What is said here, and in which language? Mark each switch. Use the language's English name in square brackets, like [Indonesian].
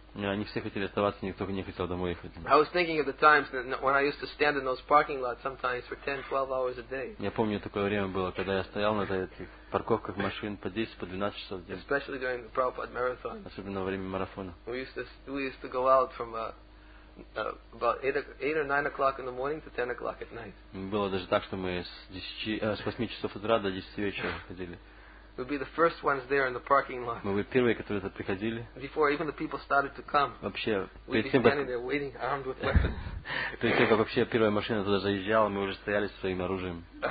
[Russian] Они все хотели оставаться, никто не хотел домой ехать. [English] I was thinking of the times when I used to stand in those parking lots sometimes for 10-12 hours a day. [Russian] Я помню такое время было, когда я стоял на этих парковках машин по 10-12 часов в день. [English] Especially during the Prabhupada marathon. [Russian] Особенно во время марафона. [English] We used to go out from about 8 or 9 o'clock in the morning to 10 o'clock at night. [Russian] Было даже так, что мы с 8 часов утра до 10 вечера ходили. [English] We'd be the first ones there in the parking lot. [Russian] Мы были первые, которые туда приходили. [English] Before even the people started to come. [Russian] Вообще, [English] we'd be standing there waiting, armed with weapons. [Russian] Перед тем, как вообще первая машина туда заезжала, мы уже стояли со своим оружием.